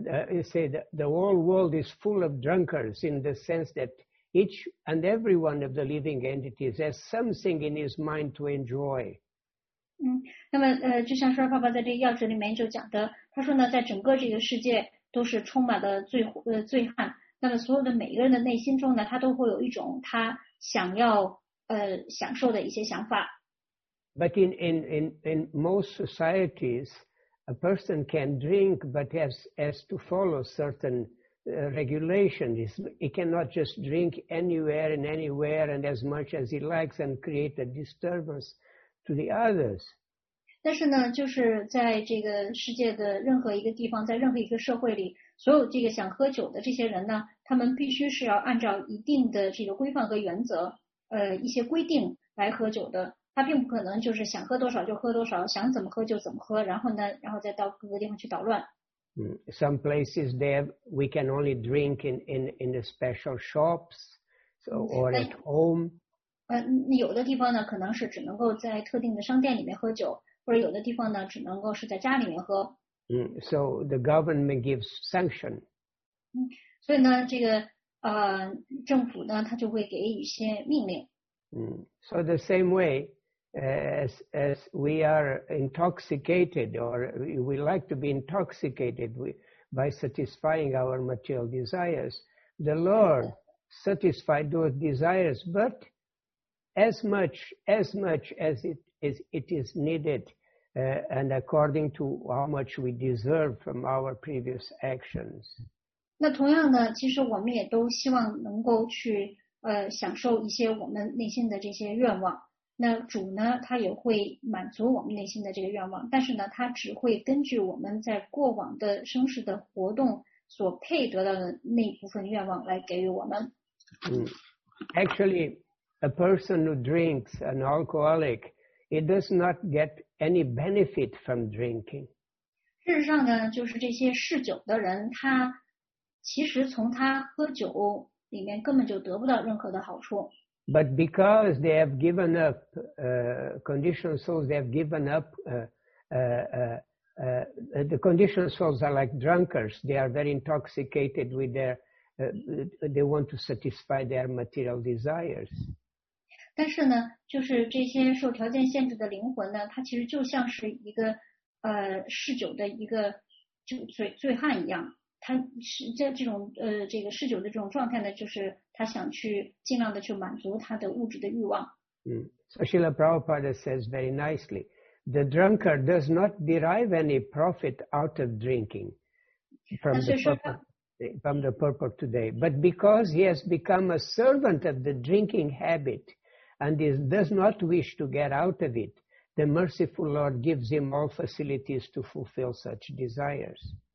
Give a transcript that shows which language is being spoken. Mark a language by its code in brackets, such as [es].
[en] You say that the whole world is full of drunkards in the sense that each and every one of the living entities has something in his mind to enjoy. [zh] 那么就像说爸爸在这个要旨里面就讲的，他说呢，在整个这个世界都是充满了醉汉，那么所有的每一个人的内心中呢，他都会有一种他想要享受的一些想法。 [en] But in most societies,A person can drink, but has to follow certain regulations. He cannot just drink anywhere and anywhere and as much as he likes and create a disturbance to the others. [zh] 但是呢，就是在这个世界的任何一个地方，在任何一个社会里，所有这个想喝酒的这些人呢，他们必须是要按照一定的这个规范和原则，一些规定来喝酒的。他并不可能就是想喝多少就喝多少，想怎么喝就怎么喝，然后呢，然后再到各个地方去捣乱。 [en] Some places there we can only drink in the special shops, so or at home. [zh] 有的地方呢可能是只能够在特定的商店里面喝酒，或者有的地方呢只能够是在家里面喝。 [en] So the government gives sanction. [zh] 所以呢，这个政府呢，他就会给一些命令。 [en] So the same way, as we are intoxicated, or we like to be intoxicated by satisfying our material desires, the Lord satisfied those desires, but as much as it is needed, and according to how much we deserve from our previous actions. [zh] 那同样呢，其实我们也都希望能够去享受一些我们内心的这些愿望，那主呢，他也会满足我们内心的这个愿望，但是呢，他只会根据我们在过往的生世的活动所配得到的那部分愿望来给予我们。 [en] Actually, a person who drinks, an alcoholic, he does not get any benefit from drinking. [zh] 事实上呢，就是这些嗜酒的人，他其实从他喝酒里面根本就得不到任何的好处。 [en] But because they have given up conditioned souls, they have given up the conditioned souls are like drunkards. They are very intoxicated with their they want to satisfy their material desires. [zh] 但是呢，就是这些受条件限制的灵魂呢，它其实就像是一个嗜酒的一个醉汉一样，他是在这种这个嗜酒的这种状态呢，就是他想去尽量的去满足他的物质的欲望。 [en] So Srila Prabhupada says very nicely, the drunkard does not derive any profit out of drinking from the purport today, but because he has become a servant of the drinking habit and he does not wish to get out of it, the merciful Lord gives him all facilities to fulfill such desires.